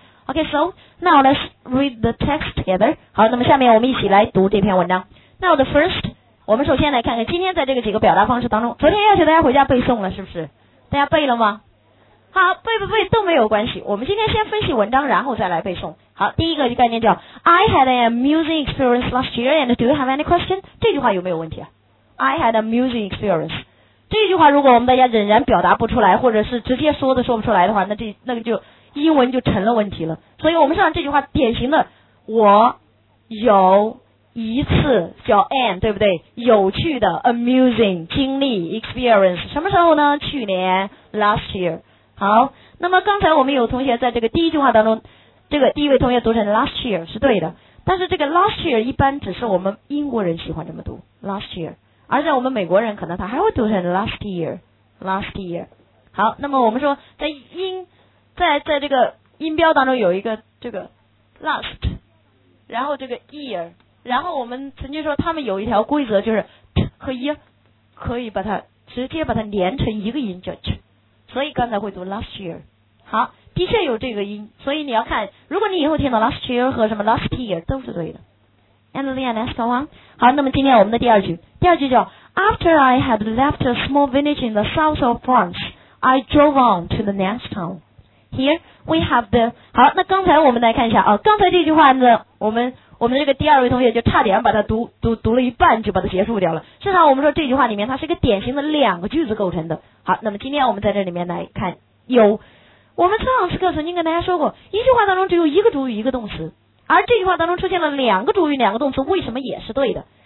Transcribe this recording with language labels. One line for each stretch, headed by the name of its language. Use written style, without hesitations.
English: OK, so now let's read the text together。
Chinese: 好，那么下面我们一起来读这篇文章。
English: Now the first，
Chinese: 我们首先来看看今天在这个几个表达方式当中，昨天要求大家回家背诵了，是不是？大家背了吗？好，背不背都没有关系，我们今天先分析文章，然后再来背诵。好，第一个概念叫
English: I had an amusing experience last year and do you have any question?
Chinese: 这句话有没有问题啊？
English: I had an amusing experience，
Chinese: 这句话如果我们大家仍然表达不出来，或者是直接说的说不出来的话，那个就英文就成了问题了。所以我们上这句话典型的我有一次叫 an， 对不对？有趣的 amusing 经历 experience， 什么时候呢？去年 last year。好，那么刚才我们有同学在这个第一句话当中，这个第一位同学读成 last year 是对的，但是这个 last year 一般只是我们英国人喜欢这么读 last year， 而在我们美国人可能他还会读成 last year， last year。好，那么我们说在音在这个音标当中有一个这个 last， 然后这个 year， 然后我们曾经说他们有一条规则，就是 t 和 year 可以把它直接把它连成一个音叫 t， 所以刚才会读 last year。好，的确有这个音，所以你要看，如果你以后听到 last year 和什么 last year 都是对的。
English: And then let's go on。
Chinese: 好，那么今天我们的第二句叫
English: After I had left a small village in the south of France I drove on to the next town。 Here we have the
Chinese: 好，那刚才我们来看一下啊，刚才这句话呢，我们这个第二位同学就差点把它读了一半就把它结束掉了。正好我们说这句话里面它是一个典型的两个句子构成的。好，那么今天我们在这里面来看，有我们上次课曾经跟大家说过，一句话当中只有一个主语一个动词，而这句话当中出现了两个主语两个动词，为什么也是对的？